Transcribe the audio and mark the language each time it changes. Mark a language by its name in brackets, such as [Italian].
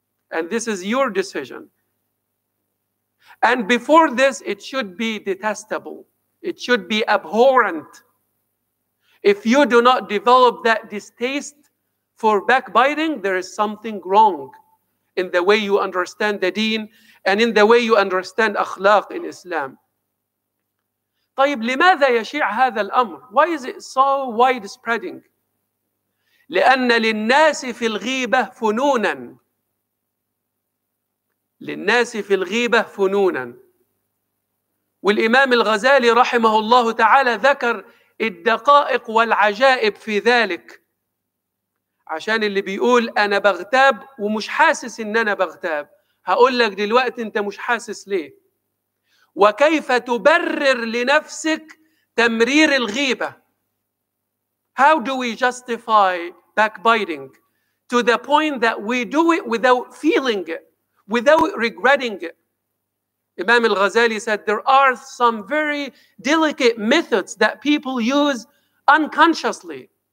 [English] And this is your decision. And before this, it should be detestable. It should be abhorrent. If you do not develop that distaste for backbiting, there is something wrong in the way you understand the deen and in the way you understand akhlaq in Islam. [Arabic] طيب لماذا يشيع هذا الأمر? [English] Why is it so widespreading? [Arabic] لأن للناس في الغيبة فنونا. للناس في الغيبة فنونا. والإمام الغزالي رحمه الله تعالى ذكر الدقائق والعجائب في ذلك. عشان اللي بيقول أنا بغتاب ومش حاسس إن أنا بغتاب. هقول لك دلوقتي أنت مش حاسس ليه. وكيف تبرر لنفسك تمرير الغيبة. [English] How do we justify backbiting to the point that we do it without feeling it? Without regretting it. Imam al-Ghazali said, there are some very delicate methods that people use unconsciously.